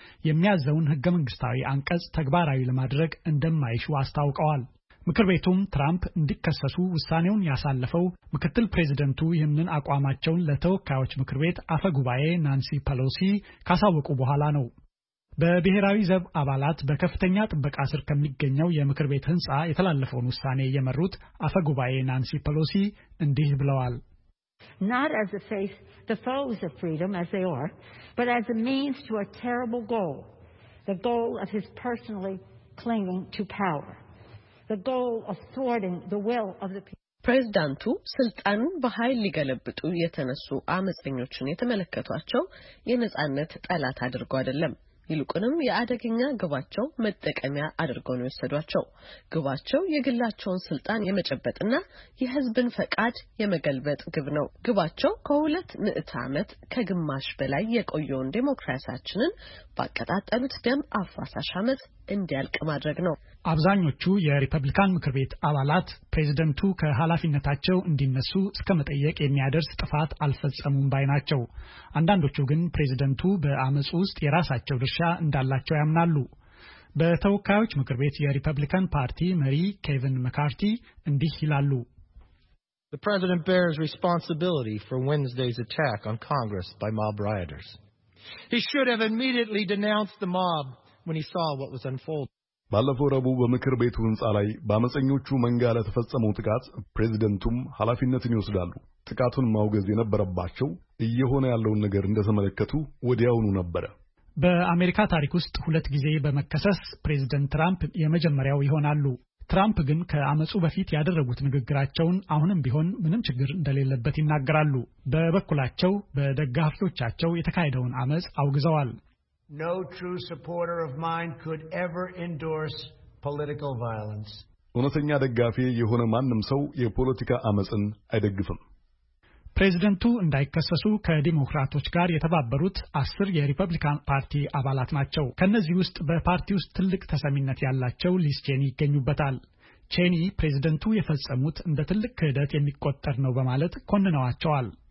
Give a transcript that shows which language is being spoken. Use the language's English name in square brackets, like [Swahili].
[Amharic] የሚያዘውን ህገ መንግስታዊ አንቀጽ ተግባራዊ ለማድረግ እንደማይሹ አስታውቀዋል። ምክር ቤቱም ትራምፕ እንዲከሰሱ ውሳኔውን ያሳለፈው ምክትል ፕሬዝዳንቱ ይህንን አቋማቸውን ለተወካዮች ምክር ቤት አፈ ጉባኤ ናንሲ ፓሎሲ ካሳወቁ በኋላ ነው። በብሔራዊ ዘብ አባላት በከፍተኛ ጥበቃ ስር ከሚገኘው የምክር ቤት ህንጻ የተላለፈውን ውሳኔ የመሩት አፈ ጉባኤ ናንሲ ፓሎሲ እንዲህ ብለዋል። [English] Not as a face the foes of freedom as they are, but as a means to a terrible goal. the goal of his personally clinging to power, the goal of thwarting the will of the people. [Amharic] ፕሬዝዳንቱ ስልጣን በኃይል ሊገለብጡ የተነሱ አመጽኞችን የተመለከቷቸው የነጻነት ጠላት አድርገው አይደለም ይልቁንም የአደገኛ ግባቸው መጠቀሚያ አድርገው ነው የሰዷቸው ግባቸው የግላቸውን ስልጣን የመጨበጥና የህዝብን ፈቃድ የመገልበጥ ግብ ነው ግባቸው ከሁለት ምዕተ ዓመት ከግማሽ በላይ የቆየውን ዲሞክራሲያችንን ባቀጣጠሉት ደም አፋሳሽ አመጽ እንዲያልቅ ማድረግ ነው አብዛኞቹ የሪፐብሊካን ምክር ቤት አባላት ፕሬዝዳንቱ ከሐላፊነታቸው እንዲነሱ እስከመጠየቅ የሚያደርስ ጥፋት አልፈጸሙም ባይናቸው አንዳንዶቹ ግን ፕሬዝዳንቱ በአመጽ ውስጥ የራሳቸው ድርሻ እንዳላቸው ያምናሉ በተወካዮች ምክር ቤት የሪፐብሊካን ፓርቲ መሪ ኬቪን መካርቲ እንዲህ ይላሉ [English] The president bears responsibility for Wednesday's attack on Congress by mob rioters. He should have immediately denounced the mob when he saw what was unfolding. [Amharic] ባለፈው ረቡዕ በመከር ቤቱ ህንጻ ላይ በአመጸኞቹ መንጋ ለተፈጸመው ጥቃት ፕሬዝዳንቱም ሐላፊነቱን ይወስዳሉ። ጥቃቱን ማውገዝ የነበረባቸው እየሆነ ያለውን ነገር እንደተመለከቱ ወዲያውኑ ነበር። በአሜሪካ ታሪክ ውስጥ ሁለት ጊዜ በመከሰስ ፕሬዝዳንት ትራምፕ የመጀመሪያው ይሆናሉ። ትራምፕ ግን ከአመጹ በፊት ያደረጉት ንግግራቸውን አሁንም ቢሆን ምንም ችግር እንደሌለበት ይናገራሉ። በበኩላቸው በደጋፊዎቻቸው የተካሄደውን አመጽ አውግዘዋል። [English] No true supporter of mine could ever endorse political violence. [Amharic] ወነተኛ ደጋፊ የሆነ ማንም ሰው የፖለቲካ አመጽን አይደግፍም። ፕሬዝዳንቱ እንዳይከሰሱ ከዲሞክራቶች ጋር የተባበሩት 10 የሪፐብሊካን ፓርቲ አባላት ናቸው። ከነዚህ ውስጥ በፓርቲው ውስጥ ትልቅ ተሰሚነት ያላቸው ሊስ ቼኒ ይገኙበታል። ቼኒ ፕሬዝዳንቱ የፈጸሙት እንደ ትልቅ ክህደት የሚቆጠር ነው በማለት ኮንነዋቸዋል።